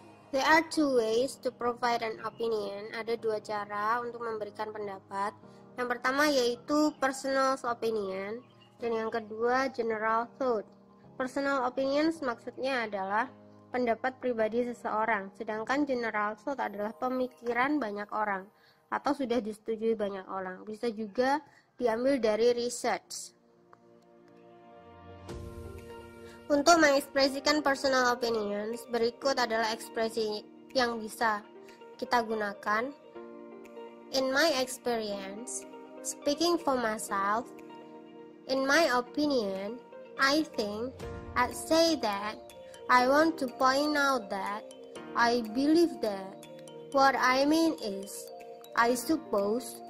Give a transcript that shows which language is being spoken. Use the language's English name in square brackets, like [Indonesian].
[English] There are two ways to provide an opinion. [Indonesian] Ada dua cara untuk memberikan pendapat. Yang pertama yaitu personal opinion, dan yang kedua general thought. Personal opinions maksudnya adalah pendapat pribadi seseorang, sedangkan general thought adalah pemikiran banyak orang atau sudah disetujui banyak orang. Bisa juga diambil dari research. Untuk mengekspresikan personal opinions, berikut adalah ekspresi yang bisa kita gunakan. [English] In my experience, speaking for myself, in my opinion, I think, I'd say that, I want to point out that, I believe that, what I mean is, I suppose.